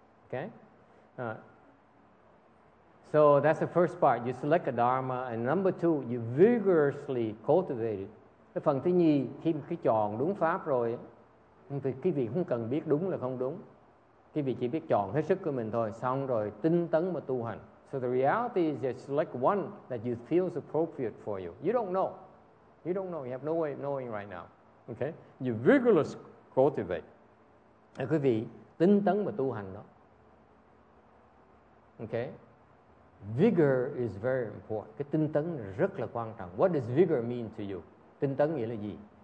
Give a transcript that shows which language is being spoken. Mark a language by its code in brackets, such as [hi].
[en] Ok. So that's the first part. You select a dharma. And number two, you vigorously cultivate it. [vi] Cái phần thứ nhì, khi cái chọn đúng pháp rồi, thì cái việc không cần biết đúng là không đúng. Cái vị chỉ biết chọn hết sức của mình thôi, xong rồi tinh tấn mà tu hành. [en] So the reality is you select one that you feel is appropriate for you. You don't know. You don't know. You have no way of knowing right now. Okay? You vigorously cultivate. [vi] Thưa quý vị, tinh tấn mà tu hành đó. [en] Okay? Vigor is very important. [vi] Cái tinh tấn rất là quan trọng. [en] What does vigor mean to you? [vi] Tinh tấn nghĩa là gì?